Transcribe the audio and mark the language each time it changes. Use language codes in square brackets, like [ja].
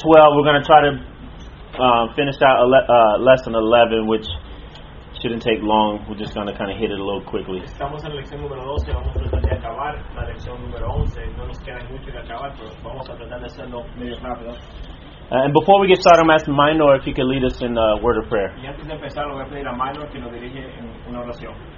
[en] We're going to try to finish out lesson 11, which shouldn't take long. We're just going to kind of hit it a little quickly. [es] Estamos en lección número 12. Vamos a tratar de acabar la lección número 11. No nos queda mucho que acabar, pero vamos a tratar de hacerlo medio rápido. [en] And before we get started, I'm asking Minor if he could lead us in a word of prayer. [es] Y antes de empezar, voy a pedir a Minor que nos dirige en una oración.